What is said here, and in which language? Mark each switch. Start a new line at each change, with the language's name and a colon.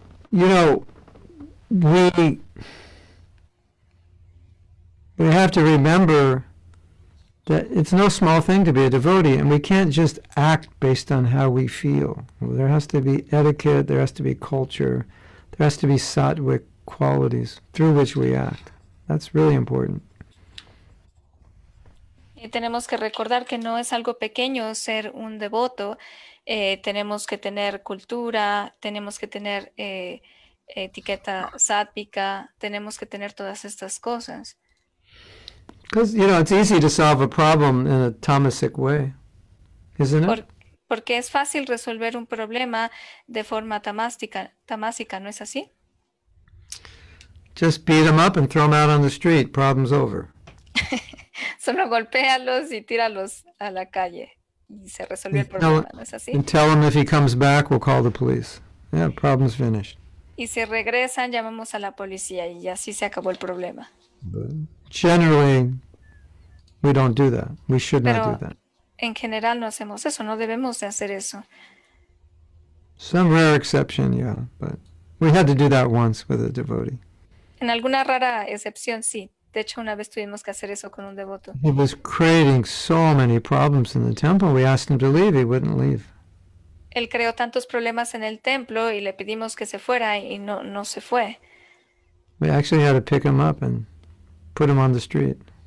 English: You know, we have to remember that it's no small thing to be a devotee, and we can't just act based on how we feel. There has to be etiquette, there has to be culture, there has to be sattvic qualities through which we act. That's really important.
Spanish: Y tenemos que recordar que no es algo pequeño ser un devoto. Tenemos que tener cultura, tenemos que tener etiqueta sattvica, tenemos que tener todas estas cosas.
English: Because, you know, it's easy to solve a problem in a tamasic way, isn't it?
Spanish: Porque es fácil resolver un problema de forma tamásica, ¿no es así?
English: Just beat them up and throw them out on the street. Problem's over.
Spanish: Solo golpéalos y tíralos a la calle. Y se resuelve el problema, ¿no es así?
English: And tell him if he comes back, we'll call the police. Yeah, problem's finished.
Spanish: Y si regresan, llamamos a la policía y así se acabó el problema.
English: Generally, we don't do that. We should
Spanish: Pero
English: not do that.
Spanish: En general no hacemos eso. No debemos de hacer eso.
English: Some rare exception, yeah. But we had to do that once with a devotee.
Spanish: En alguna rara excepción, sí. De hecho, una vez tuvimos que hacer eso con un devoto.
English: He was creating so many problems in the temple. We asked him to leave. He wouldn't leave.
Spanish: Él creó tantos problemas en el templo y le pedimos que se fuera y no se fue.
English: We actually had to pick him up and put him on the street.